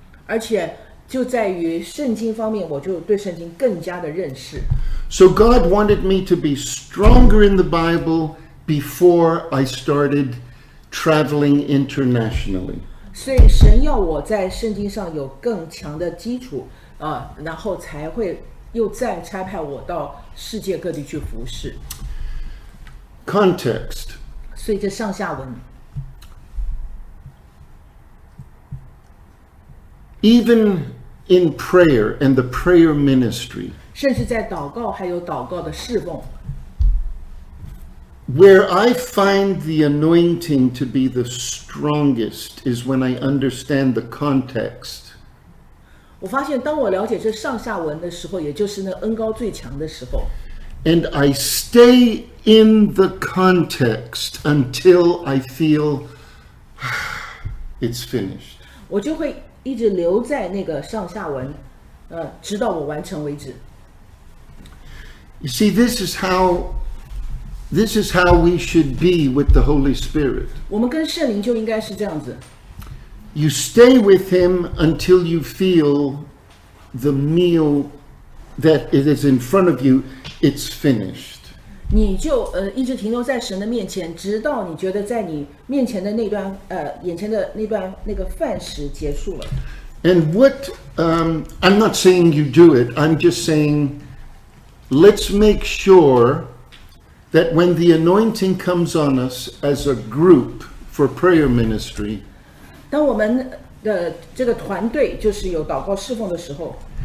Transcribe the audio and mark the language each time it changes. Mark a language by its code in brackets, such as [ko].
[zh] 而且就在于圣经方面，我就对圣经更加的认识。 [en] So God wanted me to be stronger in the Bible before I started traveling internationally. [zh] 所以神要我在圣经上有更强的基础，然后才会又再差派我到世界各地去服事。 [en] Context. [zh] 所以这上下文。 [en] Even in prayer and the prayer ministry. [zh] 甚至在祷告还有祷告的侍奉 [en] Where I find the anointing to be the strongest is when I understand the context. [zh] 我发现当我了解这上下文的时候，也就是那恩膏最强的时候。 [en] And I stay in the context until I feel it's finished. [zh] 我就会一直留在那个上下文，直到我完成为止。 [en] You see, this is how we should be with the Holy Spirit. [zh] 我们跟圣灵就应该是这样子。 [en] You stay with Him until you feel the meal that it is in front of you, it's finished. [zh] 你就一直停留在神的面前，直到你觉得在你面前的那段眼前的那段那个饭食结束了。 [en] And what I'm not saying you do it. I'm just saying. Let's make sure that when the anointing comes on us as a group for prayer ministry, [zh] 当我们的这个团队就是有祷告侍奉的时候